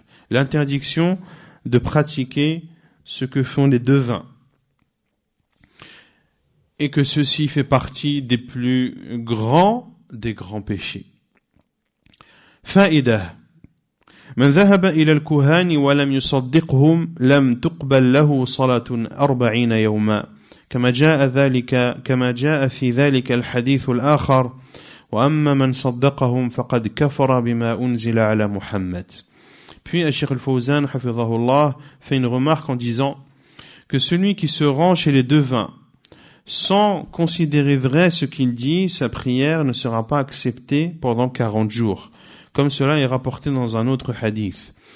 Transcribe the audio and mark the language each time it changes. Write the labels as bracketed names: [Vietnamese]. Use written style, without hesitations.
[French] L'interdiction de pratiquer ce que font les devins et que ceci fait partie des plus grands des grands péchés. [Arabic] Fa'idah. من ذهب إلى الكهان ولم يصدقهم لم تقبل له صلاة 40 يوما كما جاء في ذلك الحديث الآخر. وَأَمَّا مَنْ صَدَّقَهُمْ فَقَدْ كَفَرَ بِمَا أُنْزِلَ عَلَى مُحَمَّدٍ. [French] Puis Cheikh Al-Fawzan, hafizahullah, fait une remarque en disant que celui qui se rend chez les devins sans considérer vrai ce qu'il dit, sa prière ne sera pas acceptée pendant 40 jours, comme cela est rapporté dans un autre hadith.